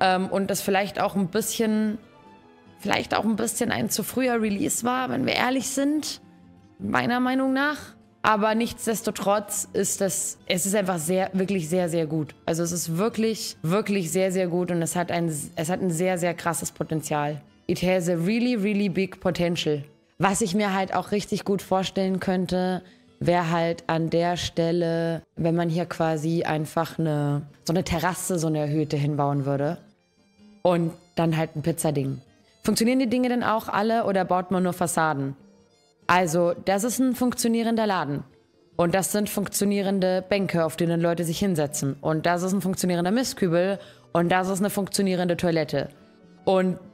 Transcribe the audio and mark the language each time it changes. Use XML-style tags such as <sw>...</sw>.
<de>Und das vielleicht auch ein bisschen ein zu früher Release war, wenn wir ehrlich sind, meiner Meinung nach. Aber nichtsdestotrotz ist es einfach sehr, wirklich sehr, sehr gut. Also es ist wirklich, wirklich sehr, sehr gut und es hat ein sehr, sehr krasses Potenzial.</de> <en>It has a really, really big potential.</en> <de>Was ich mir halt auch richtig gut vorstellen könnte, wäre halt an der Stelle, wenn man hier quasi einfach so eine Terrasse, so eine erhöhte hinbauen würde und dann halt ein Pizzading. Funktionieren die Dinge denn auch alle oder baut man nur Fassaden? Also das ist ein funktionierender Laden und das sind funktionierende Bänke, auf denen Leute sich hinsetzen und das ist ein funktionierender Mistkübel und das ist eine funktionierende Toilette und</de>